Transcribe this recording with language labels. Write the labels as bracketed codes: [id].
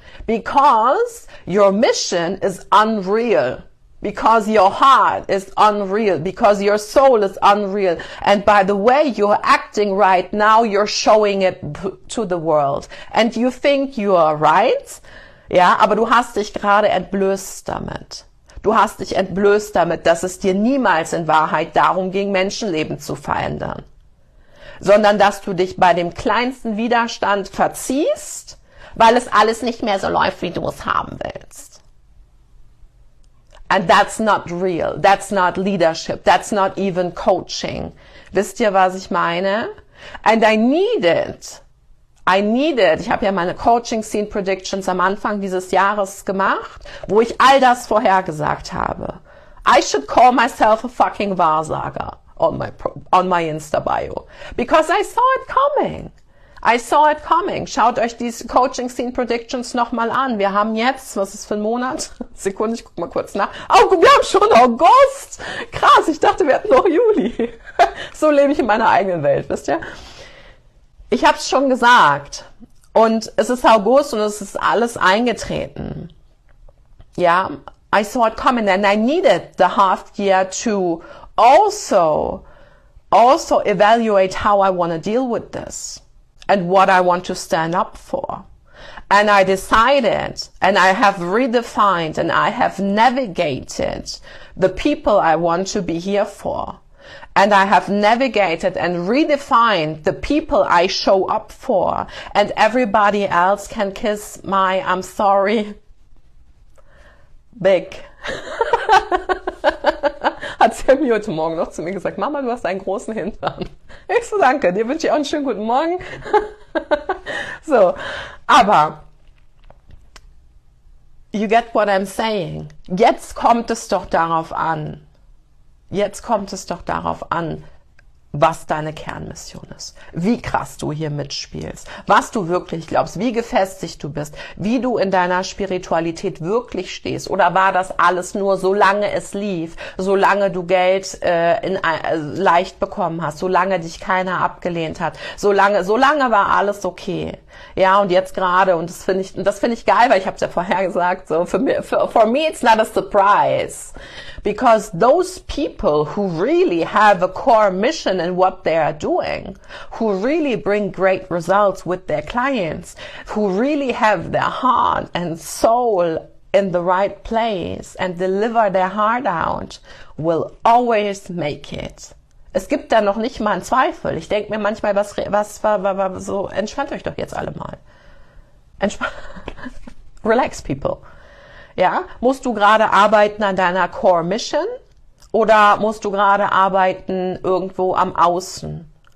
[en] Because your mission is unreal. Because your heart is unreal. Because your soul is unreal. And by the way you're acting right now, you're showing it to the world. And you think you are right. [de] Ja, aber du hast dich gerade entblößt damit. Du hast dich entblößt damit, dass es dir niemals in Wahrheit darum ging, Menschenleben zu verändern. Sondern dass du dich bei dem kleinsten Widerstand verziehst. Weil es alles nicht mehr so läuft, wie du es haben willst. [en] And that's not real. That's not leadership. That's not even coaching. [de] Wisst ihr, was ich meine? [en] And I need it. I need it. [de] Ich habe ja meine Coaching Scene Predictions am Anfang dieses Jahres gemacht, wo ich all das vorhergesagt habe. [en] I should call myself a fucking Wahrsager on my Insta bio. Because I saw it coming. I saw it coming. [de] Schaut euch die Coaching Scene Predictions nochmal an. Wir haben jetzt, was ist für ein Monat? Sekunde, ich guck mal kurz nach. Oh, wir haben schon August! Krass, ich dachte, wir hatten noch Juli. So lebe ich in meiner eigenen Welt, wisst ihr? Ich habe es schon gesagt. Und es ist August und es ist alles eingetreten. [en] Ja, I saw it coming and I needed the half year to also evaluate how I want to deal with this and what I want to stand up for. And I decided and I have redefined and I have navigated the people I want to be here for. And I have navigated and redefined the people I show up for. And everybody else can kiss my, I'm sorry, big. [de] Hat Sammy heute Morgen noch zu mir gesagt, Mama, du hast einen großen Hintern. Ich so, danke, dir wünsche ich auch einen schönen guten Morgen. [en] So, aber you get what I'm saying. [de] Jetzt kommt es doch darauf an. Jetzt kommt es doch darauf an, was deine Kernmission ist. Wie krass du hier mitspielst. Was du wirklich glaubst. Wie gefestigt du bist. Wie du in deiner Spiritualität wirklich stehst. Oder war das alles nur, solange es lief, solange du Geld leicht bekommen hast, solange dich keiner abgelehnt hat, solange war alles okay. Ja, und jetzt gerade, und das finde ich geil, weil ich habe es ja vorher gesagt, [en] so for me it's not a surprise. Because those people who really have a core mission in what they are doing, who really bring great results with their clients, who really have their heart and soul in the right place and deliver their heart out, will always make it. [de] Es gibt da noch nicht mal einen Zweifel. Ich denke mir manchmal, so entspannt euch doch jetzt alle mal. [en] Relax, people. [de] Ja, musst du gerade arbeiten an deiner Core Mission oder musst du gerade arbeiten irgendwo am Außen?